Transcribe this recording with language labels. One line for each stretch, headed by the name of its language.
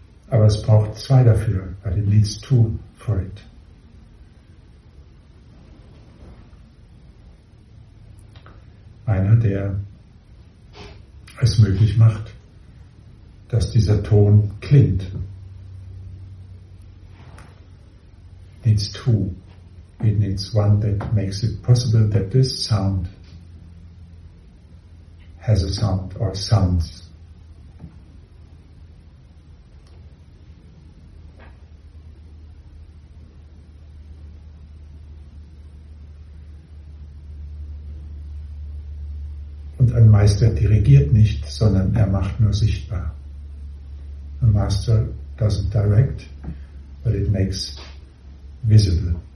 German: Aber es braucht zwei dafür,
English: but it needs two for it.
German: Einer, der es möglich macht, dass dieser Ton klingt.
English: Needs two. It needs one that makes it possible that this sound has a sound or sounds.
German: Und ein Meister dirigiert nicht, sondern er macht nur sichtbar.
English: A master doesn't direct, but it makes visible.